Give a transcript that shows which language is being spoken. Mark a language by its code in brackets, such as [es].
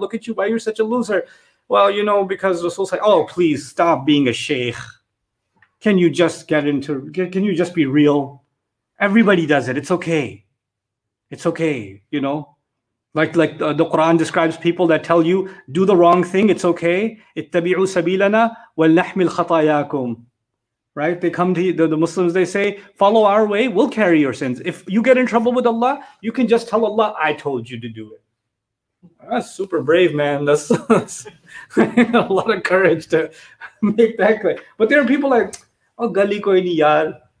[en] Look at you, why you're such a loser? Well, you know, because the soul said, oh, please stop being a sheikh. Can you just be real? Everybody does it. It's okay. It's okay, you know? Like the Quran describes people that tell you, do the wrong thing, it's okay. [ar] اتبعوا سبيلنا ولنحمل خطاياكم. [en] Right? They come to you, the Muslims, they say, follow our way, we'll carry your sins. If you get in trouble with Allah, you can just tell Allah, I told you to do it. That's super brave, man. That's a lot of courage to make that claim. But there are people like, oh, [pa] gali koi ni yaar.